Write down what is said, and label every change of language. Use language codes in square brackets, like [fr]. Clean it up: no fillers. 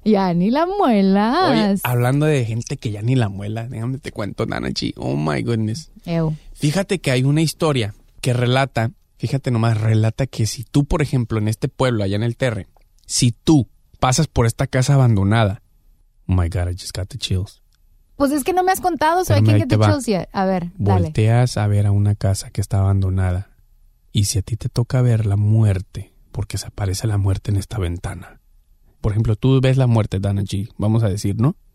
[es] Ya ni la muelas. Oye, hablando de gente que ya ni la muela, déjame te cuento, Nanachi. [en] Oh, my goodness. Ew. [es] Fíjate que hay una historia que relata... Fíjate nomás, relata que si tú, por ejemplo, en este pueblo, allá en el Terre, si tú pasas por esta casa abandonada... [en] Oh my God, I just got the chills. [es] Pues es que no me has contado, [en] so I can't get the chills yet. [es] A ver, dale. Volteas a ver a una casa que está abandonada y si a ti te toca ver la muerte, porque se aparece la muerte en esta ventana. Por ejemplo, tú ves la muerte, Dana G, vamos a decir, ¿no?